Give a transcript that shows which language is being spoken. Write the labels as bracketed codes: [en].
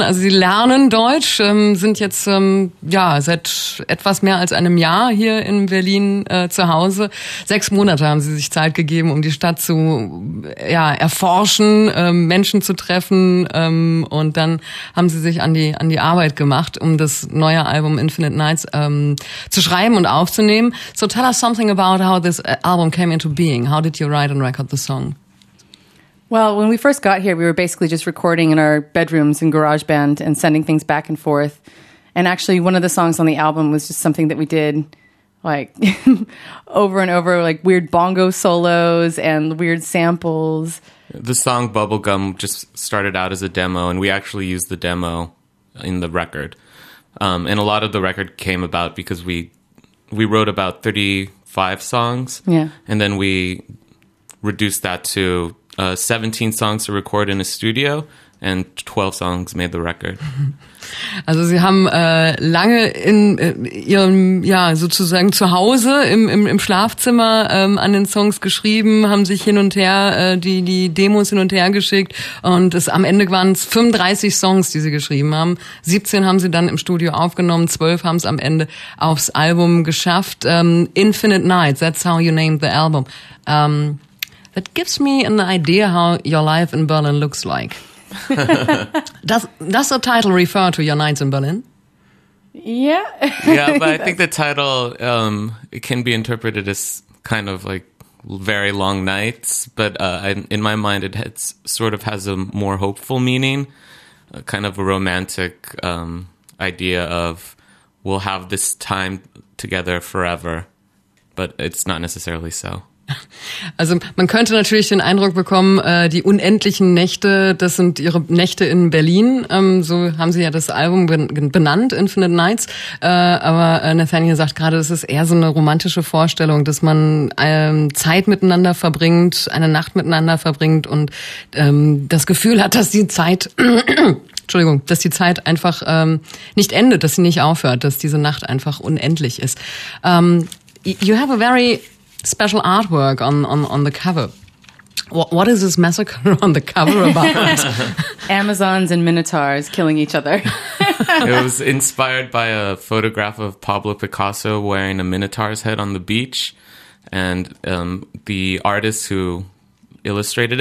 [de] Also sie lernen Deutsch, sind jetzt seit etwas mehr als einem Jahr hier in Berlin zu Hause. 6 Monate haben sie sich Zeit gegeben, um die Stadt zu erforschen, Menschen zu treffen, und dann haben sie sich an die Arbeit gemacht, um das neue Album Infinite Nights zu schreiben und aufzunehmen. [en] So tell us something about how this album came into being. How did you write and record the song? Well, when we first got here, we were basically just recording in our bedrooms in GarageBand and sending things back and forth. And actually, one of the songs on the album was just something that we did like over and over, like weird bongo solos and weird samples. The song Bubblegum just started out as a demo, and we actually used the demo in the record. And a lot of the record came about because we wrote about 35 songs. Yeah. And then we reduced that to 17 songs to record in a studio and 12 songs made the record. [de] Also sie haben lange in ihrem sozusagen zu Hause im Schlafzimmer an den Songs geschrieben, haben sich hin und her die Demos hin und her geschickt, und es am Ende waren es 35 Songs, die sie geschrieben haben. 17 haben sie dann im Studio aufgenommen, 12 haben es am Ende aufs Album geschafft. [en] Infinite Nights, that's how you named the album. That gives me an idea how your life in Berlin looks like. Does the title refer to your nights in Berlin? Yeah. Yeah, but I think the title it can be interpreted as kind of like very long nights. But in my mind, it's sort of has a more hopeful meaning, a kind of a romantic idea of we'll have this time together forever. But it's not necessarily so. [de] Also man könnte natürlich den Eindruck bekommen, die unendlichen Nächte, das sind ihre Nächte in Berlin. So haben sie ja das Album benannt, Infinite Nights. Aber Nathaniel sagt gerade, es ist eher so eine romantische Vorstellung, dass man Zeit miteinander verbringt, eine Nacht miteinander verbringt und das Gefühl hat, dass die Zeit Entschuldigung, dass die Zeit einfach nicht endet, dass sie nicht aufhört, dass diese Nacht einfach unendlich ist. [en] You have a very special artwork on the cover. What is this massacre on the cover about? Amazons and minotaurs killing each other. It was inspired by a photograph of Pablo Picasso wearing a minotaur's head on the beach, and the artist who illustrated